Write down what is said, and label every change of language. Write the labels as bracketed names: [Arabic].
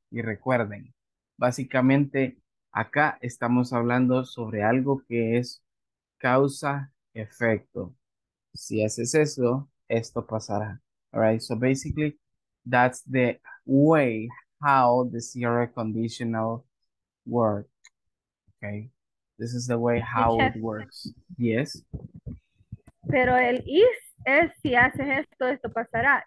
[Spanish] Y recuerden, básicamente, acá estamos hablando sobre algo que es causa, efecto. Si haces eso, esto pasará. All right. [English] So basically, that's the way how the CRA conditional work. Okay. This is the way how it works. Yes. [Spanish] Pero el is es si haces esto, esto pasará.